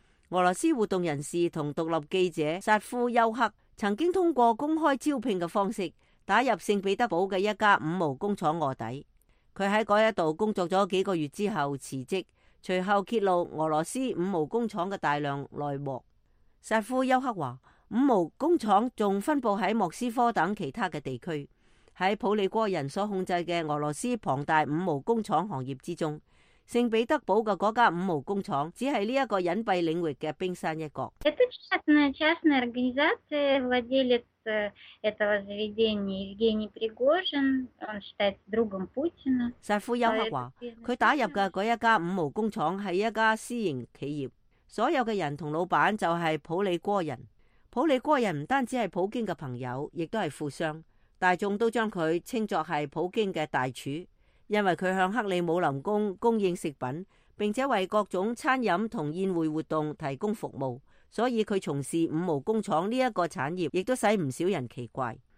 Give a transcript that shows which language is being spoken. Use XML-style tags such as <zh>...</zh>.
<zh>俄罗斯活动人士和独立记者萨夫丘克曾经通过公开招聘的方式打入圣彼得堡的一家五毛工厂卧底，他在那一度工作了几个月之后辞职，随后揭露俄罗斯五毛工厂的大量内幕。萨夫丘克说，五毛工厂还分布在莫斯科等其他的地区，在普里戈人所控制的俄罗斯庞大五毛工厂行业之中，圣彼得堡的那家五毛工厂只是这个隐蔽领域的冰山一角。这是</zh> <ru>частная организация, владелец этого заведения Евгений Пригожин, он считается другом Путина.</ru> <zh>萨夫丘克说，他打入的那一家五毛工厂是一家私营企业，所有的人和老板就是普里戈人。普里戈人不单止是普京的朋友，也是富商，大众都将他称作是普京的大厨，因为他向克里姆林宫供应食品，并且为各种餐饮和宴会活动提供服务，所以他从事五毛工厂这个产业也使不少人奇怪。</zh>